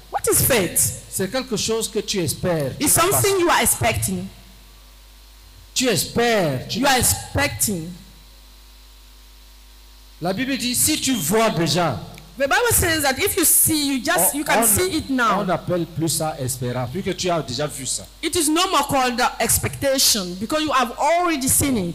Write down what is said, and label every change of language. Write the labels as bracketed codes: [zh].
[en] What is faith? [fr] C'est quelque chose que tu espères. [en] It's something you are expecting. [fr] Tu espères. [en] You are expecting. [fr] La Bible dit, si tu vois déjà. [en] The Bible says that if you see, you can see it now. [fr] On n'appelle plus ça espérance, puisque tu as déjà vu ça. [en] It is no more called expectation, because you have already seen it.